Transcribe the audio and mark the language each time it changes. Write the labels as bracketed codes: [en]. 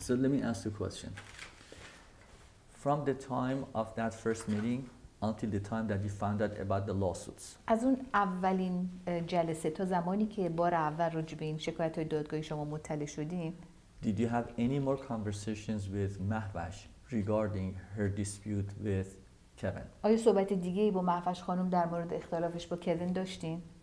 [en] So let me ask you a question. From the time of that first meeting until the time that we found out about the lawsuits. [fa] از اون اولین جلسه تا زمانی که بار اول راجع به این شکایت های دادگاهی شما مطلع شدیم. [en] Did you have any more conversations with Mahvash regarding her dispute with Kevin? [fa] آیا صحبت دیگه ای با مهوش خانم در مورد اختلافش با کوین داشتین؟